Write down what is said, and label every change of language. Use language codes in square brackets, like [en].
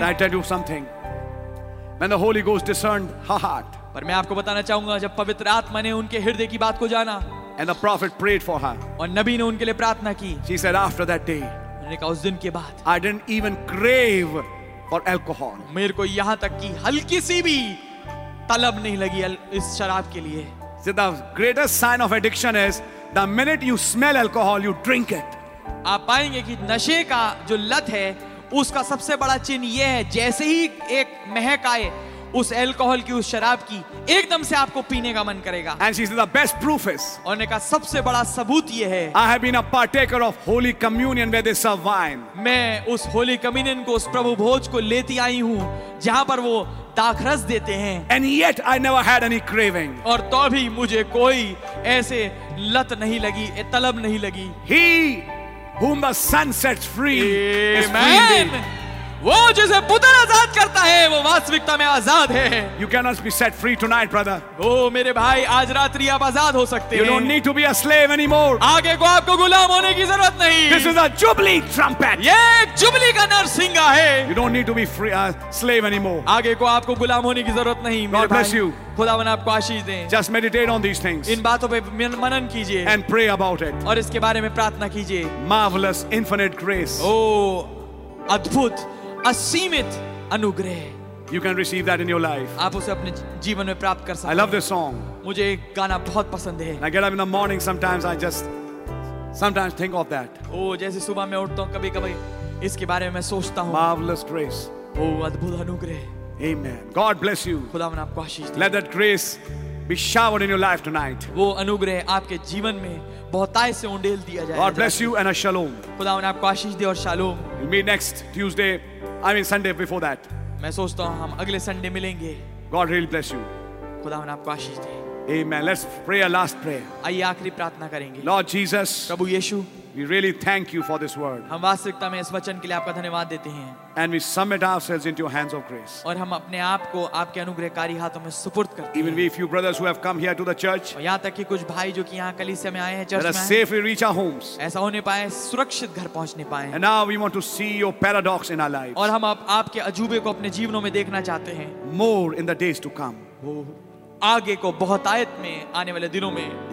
[en] But I tell you something. When the Holy Ghost discerned her heart. [hi] पर मैं आपको बताना चाहूंगा जब पवित्र आत्मा ने उनके हृदय की बात को जाना. [en] And the prophet prayed for her. [hi] और नबी ने उनके लिए प्रार्थना की. [en] She said after that day. [hi] उन्होंने कहा उस दिन के बाद. [en] I didn't even crave for alcohol. [hi] मेरे को यहां तक की हल्की सी भी तलब नहीं लगी इस शराब के लिए. [en] So the greatest sign of addiction is the minute you smell alcohol, you drink it. [hi] आप पाएंगे कि नशे का जो लत है उसका सबसे बड़ा चिन्ह यह है, जैसे ही एक महक आए उस एल्कोहल की, उस शराब की, एकदम से आपको पीने का मन करेगा. [en] And she said, the best proof is, [hi] और ने कहा सबसे बड़ा सबूत ये है, [en] I have been a partaker of Holy Communion where they serve wine. [hi] मैं उस Holy Communion को, उस प्रभु भोज को लेती आई हूँ जहाँ पर वो दाखरस देते हैं. [en] And yet I never had any craving. [hi] और तो भी मुझे कोई ऐसे लत नहीं लगी, तलब नहीं लगी. [en] He whom the sun sets free Amen. [hi] वो जिसे पुत्र आजाद करता है वो वास्तविकता में आजाद है. [en] You cannot be set free tonight, brother. [hi] ओ मेरे भाई, आज रात्रि आप आजाद हो सकते हैं. [en] You don't need to be a slave anymore. [hi] आगे को आपको गुलाम होने की जरूरत नहीं. [en] This is a jubilee trumpet. [hi] ये एक जुबली का नरसिंगा है. [en] You don't need to be free, slave anymore. [hi] आगे को आपको गुलाम होने की जरूरत नहीं. [en] God bless you. [hi] खुदावन आपको आशीष दें. [en] Just meditate on these things. [hi] इन बातों पे मनन कीजिए. [en] And pray about it. [hi] और इसके बारे में प्रार्थना कीजिए. [en] Marvelous infinite grace. [hi] ओ अद्भुत असीमित अनुग्रह. [en] You can receive that in your life. [hi] आप उसे अपने जीवन में प्राप्त कर सकते हैं. [en] I love this song. [hi] मुझे एक गाना बहुत पसंद है. [en] I get up in the morning sometimes. I just think of that. [hi] Oh, जैसे सुबह मैं उठता हूँ कभी-कभी इसके बारे में मैं सोचता हूँ. [en] Marvelous grace. [hi] Oh, अद्भुत अनुग्रह. [en] Amen. God bless you. [hi] खुदावन आपको आशीष दे. [en] Let that grace be showered in your life tonight. [hi] वो अनुग्रह आपके जीवन में बहुताय से उंडेल दिया जाए. [en] God bless you and a shalom. [hi] खुदावन आपको आशीष दे और shalom. [en] We'll meet next Tuesday. Sunday before that. [hi] मैं सोचता हूँ हम अगले संडे मिलेंगे. [en] God really bless you. [hi] खुदावन आपको आशीष दे. [en] Amen. Let's pray a last prayer. [hi] आइए आखिरी प्रार्थना करेंगे. [en] Lord Jesus. [hi] Prabhu Yeshu. [en] We really thank you for this word. [hi] हम वास्तविकता में इस वचन के लिए आपका धन्यवाद देते हैं. [en] And we submit ourselves into your hands of grace. [hi] और हम अपने आप को आपके अनुग्रहकारी हाथों में सुपुर्द करते हैं. [en] Even we few brothers who have come here to the church. [hi] और यहाँ तक कि कुछ भाई जो कि यहाँ कलीसिया में आए हैं, चर्च में आए हैं. [en] Let us safely reach our homes. [hi] ऐसा होने पाए, सुरक्षित घर पहुँचने पाए. [en] And now we want to see your paradox in our lives. [hi] और हम आपके अजूबे को अपने जीवनों में देखना चाहते हैं. [en] More in the days to come. [hi] आगे को बहुत आयत में आने वाले दिनों में.